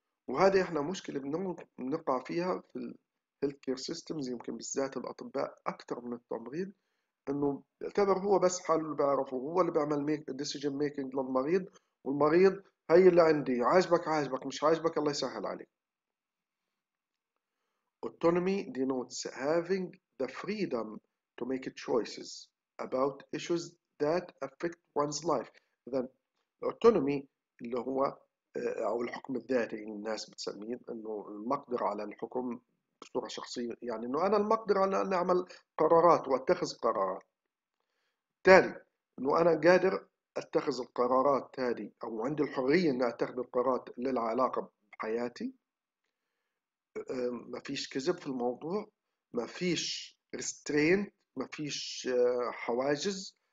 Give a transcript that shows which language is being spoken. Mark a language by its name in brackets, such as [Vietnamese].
[Arabic] وهذه إحنا مشكلة بنقع فيها في healthcare systems، يمكن بالذات الأطباء أكثر من التمريض، إنه يعتبر هو بس حاله اللي بيعرفه، هو اللي بيعمل decision making للمريض، والمريض هاي اللي عندي، عاجبك عاجبك، مش عاجبك الله يسهل عليك. [English] autonomy denotes having the freedom to make choices about issues that affect one's life. [Arabic] إذن autonomy اللي هو أو الحكم الذاتي الناس بتسميه، إنه المقدرة على الحكم بصورة شخصية، يعني إنه أنا المقدر على أن أعمل قرارات وأتخذ قرارات. تالي إنه أنا قادر أتخذ القرارات هذه، أو عندي الحرية أن أتخذ القرارات للعلاقة بحياتي، ما فيش كذب في الموضوع، ما فيش restraint، ما فيش حواجز.